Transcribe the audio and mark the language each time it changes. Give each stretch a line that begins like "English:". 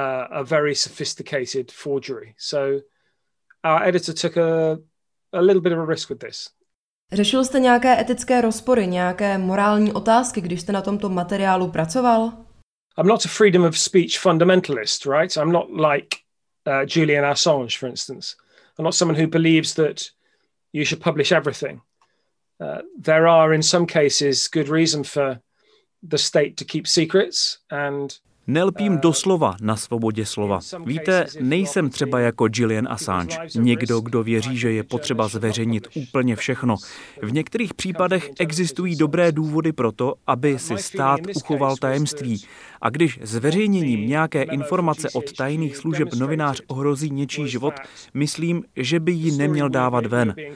English: A very sophisticated forgery. So our editor took a little bit of a risk with this.
Czech: Řešil jste nějaké etické rozpory, nějaké morální otázky, když jste na tomto materiálu pracoval?
English: I'm not a freedom of speech fundamentalist, right? I'm not like Julian Assange, for instance. I'm not someone who believes that you should publish everything. There are in some cases good reason for the state to keep secrets and
Czech: nelpím doslova na svobodě slova. Víte, nejsem třeba jako Julian Assange, někdo, kdo věří, že je potřeba zveřejnit úplně všechno. V některých případech existují dobré důvody pro to, aby si stát uchoval tajemství. A když zveřejněním nějaké informace od tajných služeb novinář ohrozí něčí život, myslím, že by ji neměl dávat ven.